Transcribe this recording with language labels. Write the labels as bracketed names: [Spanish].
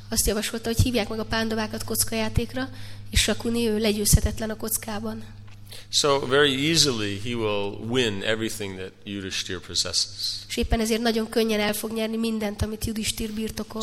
[Hungarian] Azt javasolta, hogy hívják meg a Pándavákat kockajátékra, és Shakuni, ő legyőzhetetlen a kockában. [English] So very easily he will win everything that Yudhisthira possesses. [Hungarian] És éppen ezért nagyon könnyen el fog nyerni mindent, amit Yudhisthira birtokol.